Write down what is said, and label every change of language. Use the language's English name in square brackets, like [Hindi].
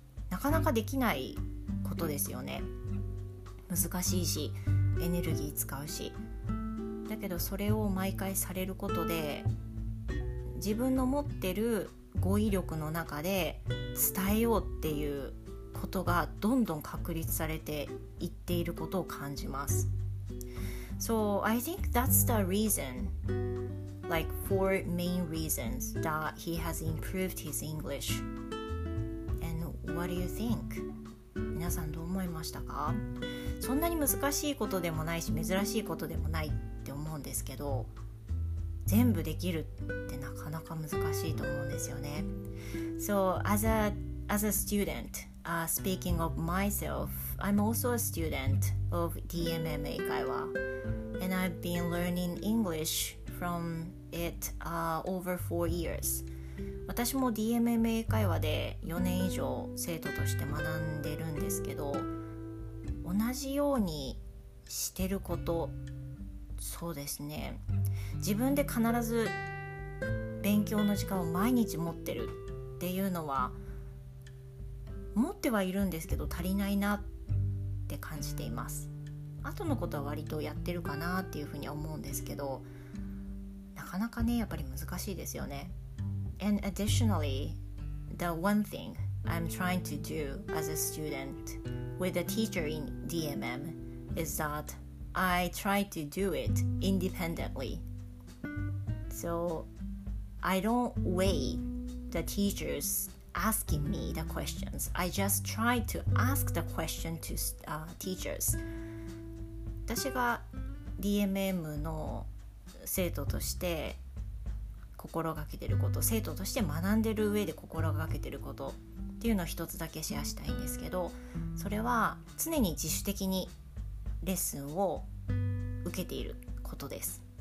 [Japanese] なかなかできないことですよね。難しいし、エネルギー使うし。だけどそれを毎回されることで、自分の持ってる語彙力の中で伝えようっていうことがどんどん確立されていっていることを感じます。 [English] So I think that's the reason, like four main reasons that he has improved his EnglishWhat do you think? [Japanese] 皆さんどう思いましたか？そんなに難しいことでもないし、珍しいことでもないって思うんですけど、全部できるってなかなか難しいと思うんですよね。 [English] So as a student, speaking of myself, I'm also a student of DMMA 会話 and I've been learning English from it over 4 years. [Japanese] 私も DMMA 会話で4年以上生徒として学んでるんですけど、同じようにしてること、そうですね、自分で必ず勉強の時間を毎日持ってるっていうのは持ってはいるんですけど足りないなって感じています。後のことは割とやってるかなっていうふうに思うんですけど、なかなかねやっぱり難しいですよね。 [English] And additionally, the one thing I'm trying to do as a student with a teacher in DMM is thatI try to do it independently. So I don't wait the teachers asking me the questions. I just try to ask the question to teachers. [Japanese] 私が DMM の生徒として心がけてること、生徒として学んでる上で心がけてることっていうのを一つだけシェアしたいんですけど、それは常に自主的にレッスンを受けていることです。